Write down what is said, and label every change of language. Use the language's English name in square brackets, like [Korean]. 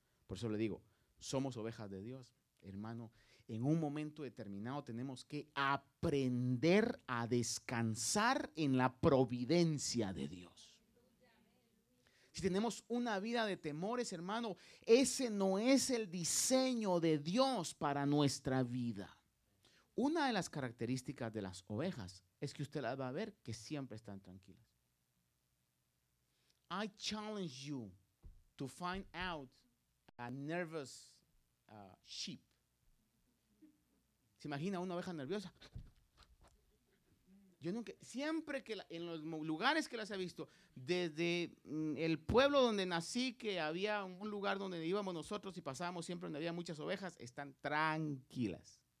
[Spanish] Por eso le digo, somos ovejas de Dios, hermano. En un momento determinado tenemos que aprender a descansar en la providencia de Dios. Si tenemos una vida de temores, hermano, ese no es el diseño de Dios para nuestra vida. Una de las características de las ovejas es que usted las va a ver que siempre están tranquilas. [English] I challenge you to find out a nervous sheep. [Spanish] ¿Se imagina una oveja nerviosa? Yo nunca, siempre que en los lugares que las he visto, desde el pueblo donde nací, que había un lugar donde íbamos nosotros y pasábamos siempre donde había muchas ovejas, están tranquilas.